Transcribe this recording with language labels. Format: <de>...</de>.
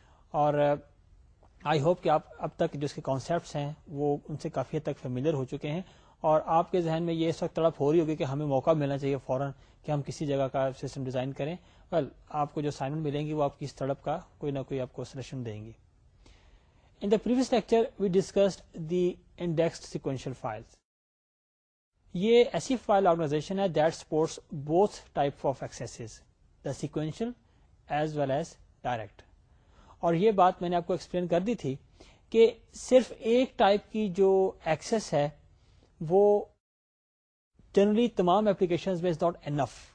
<ur>اور</ur> <en>I hope</en> <ur>کہ آپ اب تک جو اس کے کانسیپٹس ہیں وہ ان سے کافی حد تک فیملیئر ہو چکے ہیں, اور آپ کے ذہن میں یہ اس وقت تڑپ ہو رہی ہوگی کہ ہمیں موقع ملنا چاہیے فوراً کہ ہم کسی جگہ کا سسٹم ڈیزائن کریں. ویل, آپ کو جو اسائنمنٹ ملیں گی وہ آپ کی اس تڑپ کا کوئی نہ کوئی آپ کو سلیکشن دیں گی.</ur> <en>In the previous lecture, we discussed the indexed sequential files.</en> <ur>یہ ایسی</ur> <en>File organisation ہے that supports both type of accesses, the sequential as well as direct.</en> <ur>اور یہ بات میں نے آپ کو ایکسپلین کر دی تھی کہ صرف ایک ٹائپ کی جو ایکسیس ہے وہ جنرلی تمام ایپلیکیشن میں</ur> <en>Is not enough.</en>